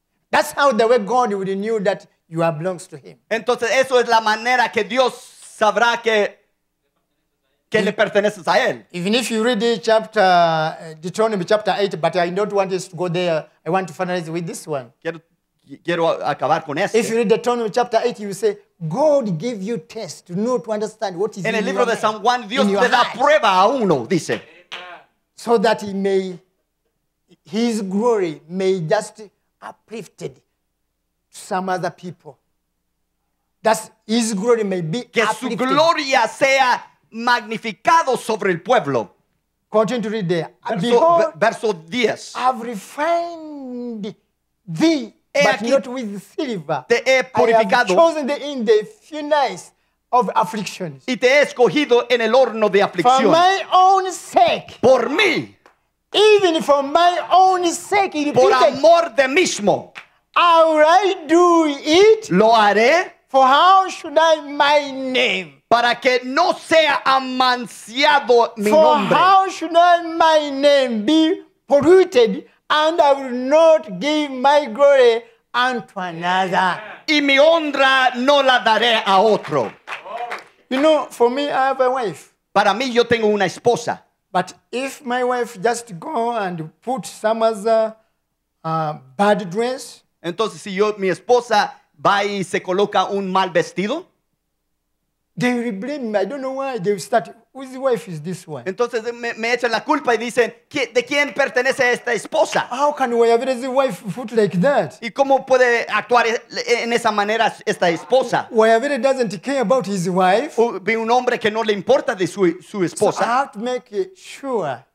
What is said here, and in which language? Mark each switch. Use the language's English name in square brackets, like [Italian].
[English] That's how the way God would knew that you are belongs to him. [Spanish] Entonces eso es la manera que Dios sabrá que le perteneces a él. [English] Even if you read the chapter Deuteronomy chapter 8, but I don't want us to go there. I want to finalize with this one. [Spanish] Quiero acabar con este. [English] If you read Deuteronomy chapter 8, you say God give you test to know to understand what is [Spanish] en el [English] in [Spanish] libro [English] your [Spanish] de [English] mind. [Spanish] San Juan Dios te da prueba a uno, dice. [English] So that he may, his glory may just uplifted to some other people. That his glory may be [Spanish] que [English] uplifted. [Spanish] Su gloria sea magnificado sobre el pueblo. [English] Continue to read there. [Spanish] Verso 10. [English] I've refined thee, but aquí, not with silver. [Spanish] Te he purificado. [English] I have chosen thee in the furnace of afflictions. [Spanish] Y te he escogido en el horno de aflicción. [English] For my own sake. [Spanish] Por mí. [English] Even for my own sake. [Spanish] Por amor de mismo. [English] How will I do it? [Spanish] Lo haré. [English] For how should I my name? [Spanish] Para que no sea amanciado mi [English] for [Spanish] nombre. [English] For how should I my name be polluted, and I will not give my glory unto another. [Spanish] Y mi honra no la daré a otro. [English] You know, for me, I have a wife. [Spanish] Para mí, yo tengo una esposa. [English] But if my wife just go and put some other bad dress. [Spanish] Entonces, si yo, mi esposa va y se coloca un mal vestido. [English] They will blame me. I don't know why. They will start, whose wife is this one? [Spanish] Entonces, me echan la culpa y dicen, ¿de quién pertenece esta esposa? [English] How can Wayabire's wife put like that? [Spanish] ¿Y cómo puede actuar en esa manera esta esposa? [English] Wayabire doesn't care about his wife. [Spanish] Ve un hombre que no le importa de su esposa. [English] So I have to make sure.